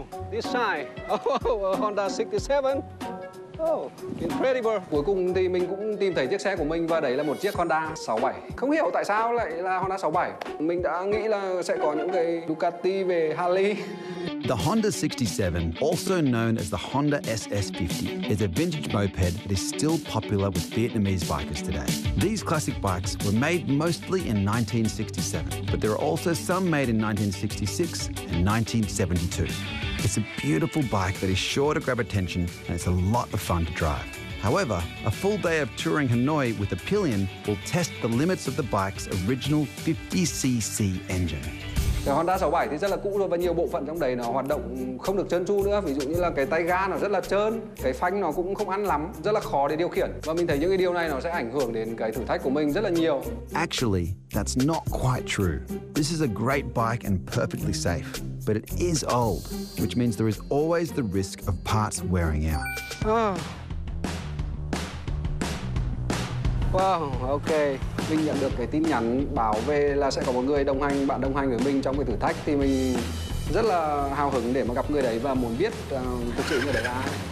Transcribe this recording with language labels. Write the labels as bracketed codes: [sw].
[en] this side. Oh, Honda 67. Oh, incredible. [vi] Cuối cùng thì mình cũng tìm thấy chiếc xe của mình và đấy là một chiếc Honda 67. Không hiểu tại sao lại là Honda 67. Mình đã nghĩ là sẽ có những cái Ducati về Harley. [en] The Honda 67, also known as the Honda SS50, is a vintage moped that is still popular with Vietnamese bikers today. These classic bikes were made mostly in 1967, but there are also some made in 1966 and 1972. It's a beautiful bike that is sure to grab attention, and it's a lot of fun to drive. However, a full day of touring Hanoi with a pillion will test the limits of the bike's original 50cc engine. [vi] Cái Honda 67 thì rất là cũ rồi và nhiều bộ phận trong đấy nó hoạt động không được trơn tru nữa. Ví dụ như là cái tay ga nó rất là trơn, cái phanh nó cũng không ăn lắm, rất là khó để điều khiển. Và mình thấy những cái điều này nó sẽ ảnh hưởng đến cái thử thách của mình rất là nhiều. [en] Actually, that's not quite true. This is a great bike and perfectly safe. But it is old, which means there is always the risk of parts wearing out. Wow, ok. [vi] Mình nhận được cái tin nhắn báo về là sẽ có một người đồng hành, bạn đồng hành với mình trong cái thử thách. Thì mình rất là hào hứng để mà gặp người đấy và muốn biết thực sự người đấy là ai.